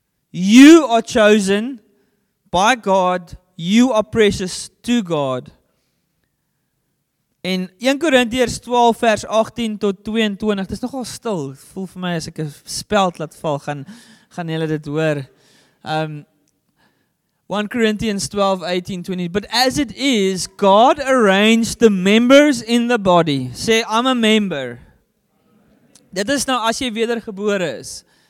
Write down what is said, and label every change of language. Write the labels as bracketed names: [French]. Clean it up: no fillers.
[English] You are chosen by God, you are precious to God. [Afrikaans] En 1 Korintiërs 12 vers 18 tot 22, dit is nogal stil, voel vir my as ek een speld laat val, gaan julle dit hoor. [English] 1 Corinthians 12, 18, 20. But as it is, God arranged the members in the body. Say, I'm a member. [Afrikaans] Dit is nou as jy wedergebore is.